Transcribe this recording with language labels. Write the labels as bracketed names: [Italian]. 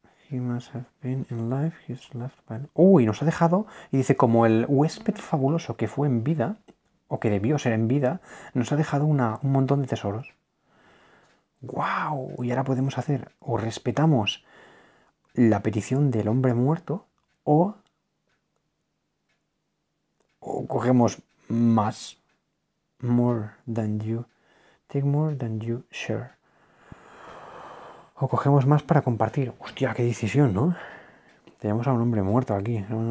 [English] He must have been in life, he's left by... [Spanish] Uy, nos ha dejado y dice, como el huésped fabuloso que fue en vida, o que debió ser en vida, nos ha dejado un montón de tesoros. ¡Wow! Y ahora podemos hacer, o respetamos la petición del hombre muerto, o cogemos más. [English] More than you. Take more than you share. [Spanish] O cogemos más para compartir. Hostia, qué decisión, ¿no? Tenemos a un hombre muerto aquí.